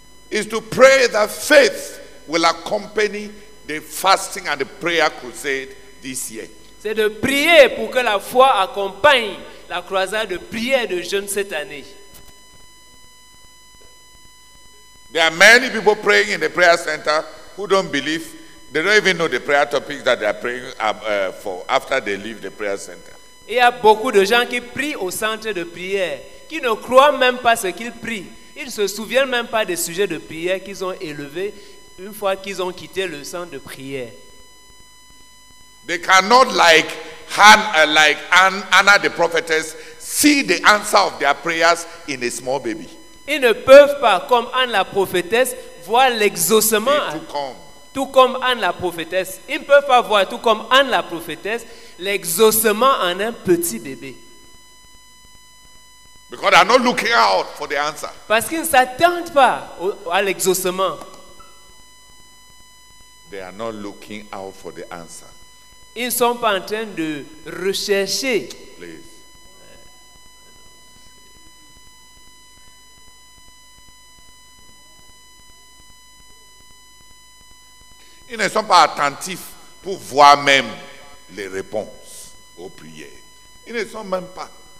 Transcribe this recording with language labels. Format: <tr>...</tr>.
<en>Is to pray that faith will accompany the fasting and the prayer crusade this year.</en> <fr>C'est de prier pour que la foi accompagne la croisade de prière de jeûne cette année.</fr> <en>There are many people praying in the prayer center who don't believe. They don't even know the prayer topics that they are praying for after they leave the prayer center.</en> <fr>Il y a beaucoup de gens qui prient au centre de prière, qui ne croient même pas ce qu'ils prient. Ils ne se souviennent même pas des sujets de prière qu'ils ont élevés une fois qu'ils ont quitté le centre de prière.</fr> <en>They cannot like Anna the prophetess see the answer of their prayers in a small baby.</en> <fr>Ils ne peuvent pas, comme Anne la prophétesse, voir l'exaucement. Tout comme Anne la prophétesse, ils ne peuvent pas voir, tout comme Anne la prophétesse, l'exaucement en un petit bébé.</fr> <en>Because they are not looking out for the answer.</en> <fr>Parce qu'ils ne s'attendent pas à l'exaucement.</fr> <en>They are not looking out for the answer.</en> <fr>Ils ne sont pas en train de rechercher.</fr> <en>Please.</en> <fr>Ils ne sont pas attentifs pour voir même les réponses aux prières. Ils ne sont même pas.</fr>